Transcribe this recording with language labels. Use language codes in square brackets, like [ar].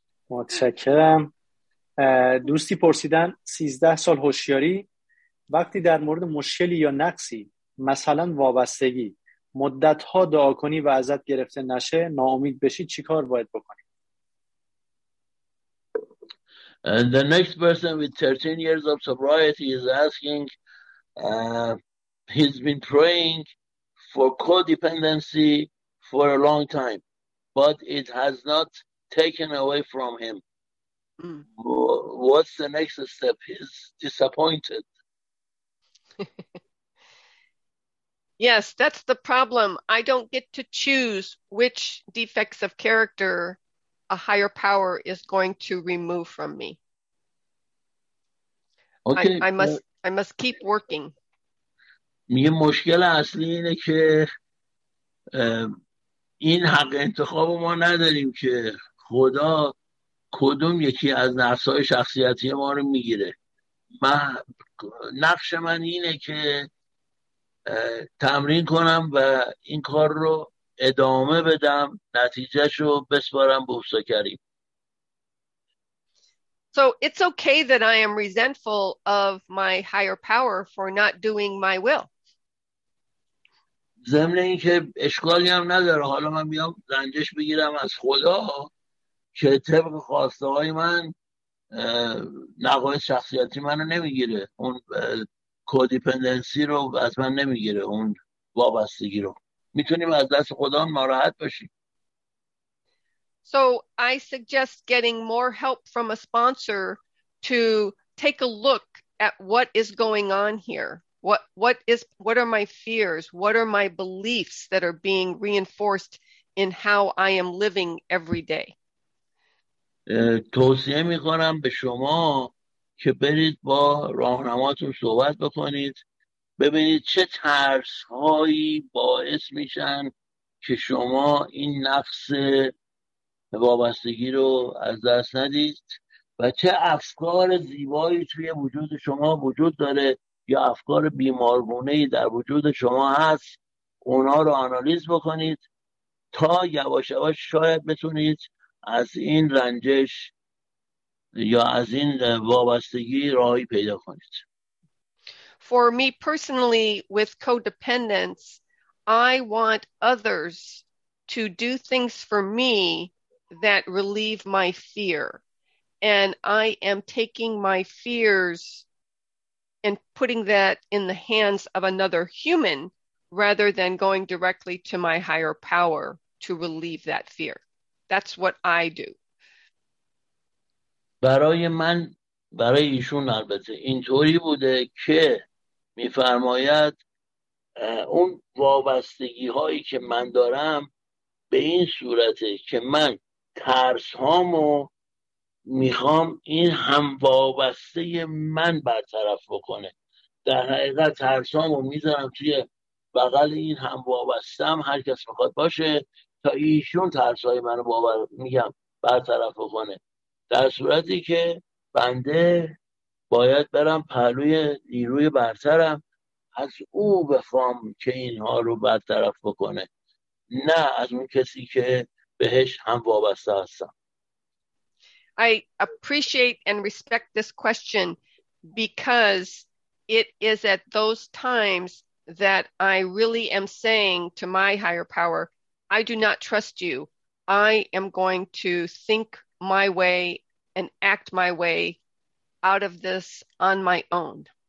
[fa] متشکرم. دوستی پرسیدن 13 سال هوشیاری، وقتی در مورد مشکلی یا نقصی، مثلا وابستگی، مدت‌ها دعا کنی و ازت گرفته نشه، ناامید بشی، چیکار باید بکنی؟ [en] And the next person with 13 years of sobriety is asking, he's been praying for codependency for a long time, but it has not taken away from him. What's the next step? He's disappointed. Yes, that's the problem. I don't get to choose which defects of character a higher power is going to remove from me. Okay. I must keep working. [fa] میگه مشکل اصلی اینه که این حق انتخاب ما نداریم که خدا کدوم یکی از نقصهای شخصیتی ما رو میگیره. نقش من اینه که تمرین کنم و این کار رو ادامه بدم، نتیجهش رو بسپارم به عیسی کریم. [en] So it's okay that I am resentful of my higher power for not doing my will. [fa] ضمن این که اشکالی هم نداره حالا من بیام رنجش بگیرم از خدا که طبق خواسته های من نقایص شخصیتی من رو نمیگیره، اون کودیپندنسی رو از من نمیگیره، اون وابستگی رو. میتونیم از دست خدا هم ناراحت باشیم. [en] So I suggest getting more help from a sponsor to take a look at what is going on here. What are my fears? What are my beliefs that are being reinforced in how I am living every day? [fa] توصیه می کنم به شما که برید با راهنماتون صحبت بکنید، ببینید چه ترس هایی باعث میشن که شما این نفس وابستگی رو از دست ندید و چه افکار زیبایی توی وجود شما وجود داره یا افکار بیمارگونه ای در وجود شما هست، اونا رو آنالیز بکنید تا یواش یواش شاید بتونید از این رنجش یا از این وابستگی راهی پیدا کنید. [en] For me personally with codependence, I want others to do things for me that relieve my fear, and I am taking my fears and putting that in the hands of another human rather than going directly to my higher power to relieve that fear. That's what I do. [fa] برای من، برای ایشون البته اینطوری بوده که میفرماید اون وابستگی هایی که من دارم به این صورته که من ترس هامو میخوام این هم وابسته من برطرف بکنه. در حقیقت ترس هامو میذارم توی بغل این هم وابسته هم، هر کس میخواد باشه، تا ایشون ترس های منو برطرف بکنه. در صورتی که بنده باید برم پهلوی نیروی برترم، از او بخوام که اینها رو برطرف بکنه، نه از اون کسی که بهش هم وابسته هستم. [en] I appreciate and respect this question because it is at those times that I really am saying to my higher power, I do not trust you. I am going to think my way and act my way out of this on my own.